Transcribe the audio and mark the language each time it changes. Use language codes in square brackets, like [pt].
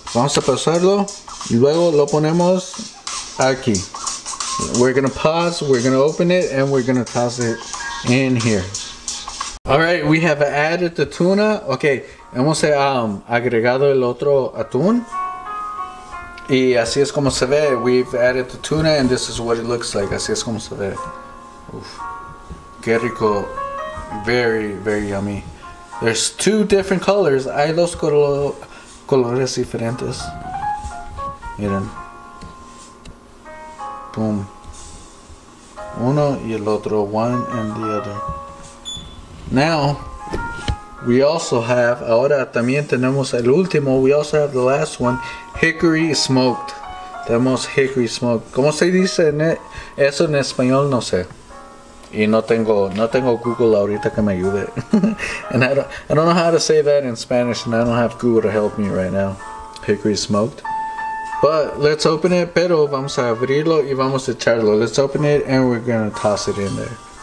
[es] Vamos a pasarlo y luego lo ponemos aquí. [en] We're gonna pause, we're gonna open it, and we're gonna toss it in here. Alright, we have added the tuna. Okay, [es] hemos agregado el otro atún. Y así es como se ve. [en] We've added the tuna, and this is what it looks like. [es] Así es como se ve. Uf. Qué rico. [en] Very, very yummy. There's two different colors. [es] Hay dos colores diferentes. Miren. [en] Boom. [es] Uno y el otro. [en] One and the other. Now, we also have, [es] ahora también tenemos el último. [en] We also have the last one. Hickory smoked. Tenemos hickory smoked. [es] ¿Cómo se dice eso en español? No sé. Y no tengo Google ahorita que me ayude. [en] And I don't know how to say that in Spanish, and I don't have Google to help me right now. Hickory smoked. But let's open it, [es] pero vamos a abrirlo y vamos a echarlo. [en] Let's open it and we're gonna toss it in there.